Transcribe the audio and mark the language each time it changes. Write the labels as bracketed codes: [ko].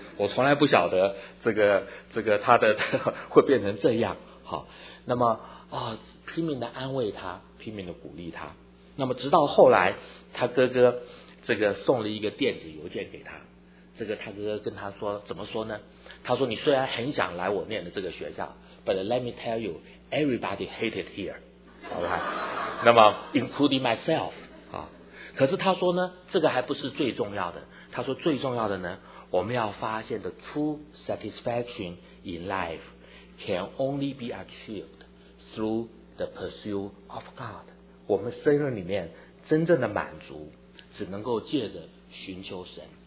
[zh] 我从来不晓得这个他的会变成这样哈、啊。那么拼命的安慰他，拼命的鼓励他。那么直到后来，他哥哥这个送了一个电子邮件给他，这个他哥哥跟他说怎么说呢？他说，你虽然很想来我念的这个学校， [en] but let me tell you, everybody hated here, all right? [zh] 那么 [en] including myself, [zh] 啊，可是他说呢，这个还不是最重要的。他说最重要的呢，我们要发现 [en] the true satisfaction in life can only be achieved through the pursuit of God. [zh] 我们生命里面真正的满足只能够借着寻求神。